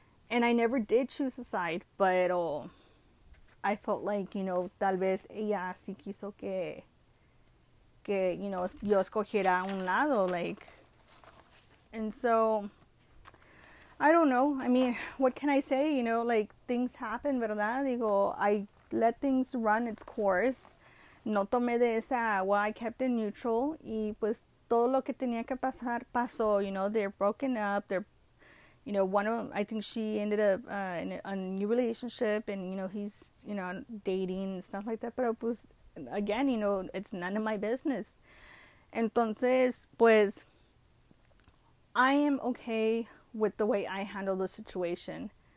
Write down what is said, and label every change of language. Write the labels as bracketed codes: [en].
[en] And I never did choose a side, but I felt like, you know, [es] tal vez ella sí quiso que, [en] you know, [es] yo escogiera un lado, [en] like. And so, I don't know. I mean, what can I say? You know, like, things happen, ¿verdad? Digo, I let things run its course. [es] No tomé de esa agua. [en] I kept it neutral. [es] Y pues, todo lo que tenía que pasar, pasó. [en] You know, they're broken up. They're, you know, one of them, I think she ended up in a new relationship. And, you know, he's, you know, dating and stuff like that. [es] Pero pues, [en] again, you know, it's none of my business. [es] Entonces, pues, [en] I am okay with the way I handle the situation.